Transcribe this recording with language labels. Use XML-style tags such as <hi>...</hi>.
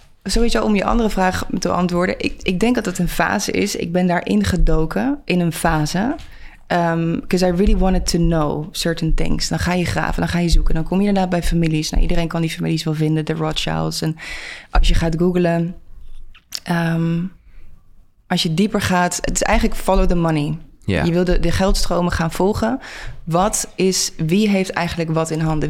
<nl>Sowieso om je andere vraag te antwoorden. Ik denk dat het een fase is. Ik ben daarin gedoken in een fase.</nl> <en>Because I really wanted to know certain things.</en> <nl>Dan ga je graven, dan ga je zoeken. Dan kom je inderdaad bij families. Nou, iedereen kan die families wel vinden. De Rothschilds. En als je gaat googlen. Als je dieper gaat. Het is eigenlijk</nl> <en>follow the money. Yeah.</en> <nl>Je wil de geldstromen gaan volgen. Wie heeft eigenlijk wat in handen?</nl>